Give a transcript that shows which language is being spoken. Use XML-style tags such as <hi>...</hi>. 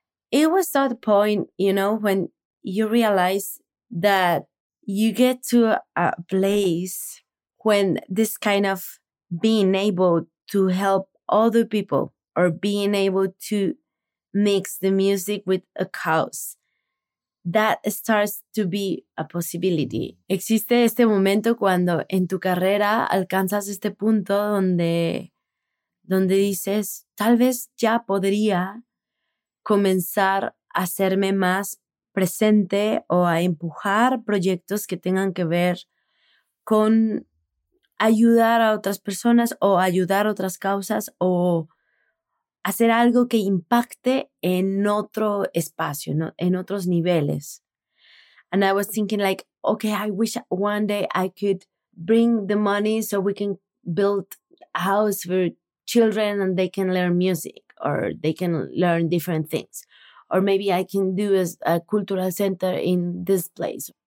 <en>It was that point, you know, when you realize that you get to a place when this kind of being able to help other people or being able to mix the music with a cause, that starts to be a possibility.</en> <es>Existe este momento cuando en tu carrera alcanzas este punto donde dices, tal vez ya podría comenzar a hacerme más presente o a empujar proyectos que tengan que ver con ayudar a otras personas o ayudar a otras causas o hacer algo que impacte en otro espacio, ¿no? En otros niveles.</es> <en>And I was thinking like, okay, I wish one day I could bring the money so we can build a house for children and they can learn music or they can learn different things. Or maybe I can do a cultural center in this place.</en>